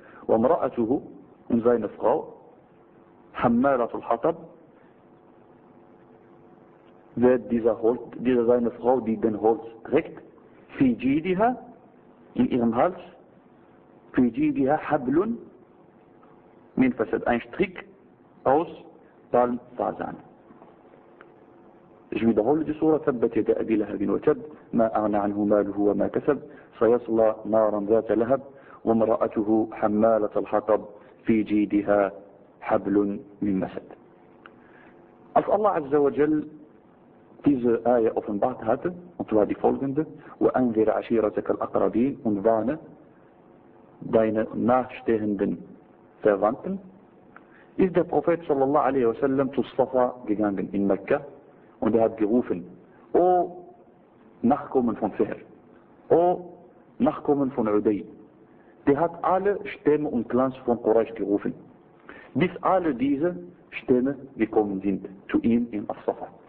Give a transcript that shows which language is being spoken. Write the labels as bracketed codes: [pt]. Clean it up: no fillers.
[ar] وامرأته [de] und seine Frau [ar] حمالة الحطب [de] wird dieser seine Frau, die den Holz trägt, [ar] في جيدها [de] in ihrem Hals, [ar] في جيدها حبل من فساد [de] ein Strick aus Balbasan. Ich wiederhole die Sura [ar] ثبت يد أبي لهب وتب ما أغنى عنه ماله وما كسب سيصلى نارا ذات لهب ومرأته حمالة الحطب في جيدها حبل من مسد. [de] Als Allah Azza wa Jal diese Ayah offenbart hatte, und zwar die folgende, [ar] وَأَنْذِرْ عَشِيرَتَكَ الْأَقْرَبِينَ [de] und warne deine nachstehenden Verwandten, ist der Prophet sallallahu alaihi wasallam zu Safa gegangen in Mekka und er hat gerufen, O Nachkommen von Fihr, O Nachkommen von Uday, der hat alle Stämme und Clans von Quraysh gerufen, bis alle diese Stämme gekommen sind zu ihm in As-Safa.